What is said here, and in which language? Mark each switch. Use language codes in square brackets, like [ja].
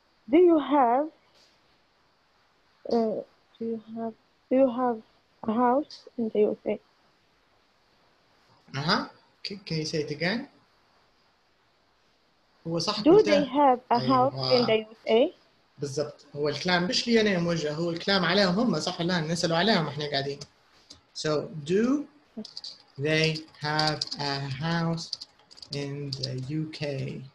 [en] Do you have a house in the UK? Can you say it again? [ar] هو صح [en] Do they have a house in the USA? [ar] بالضبط هو الكلام مش لي انا موجه هو الكلام عليهم هم صح الان نسالوا عليهم احنا قاعدين. [en] So do they have a house in the UK?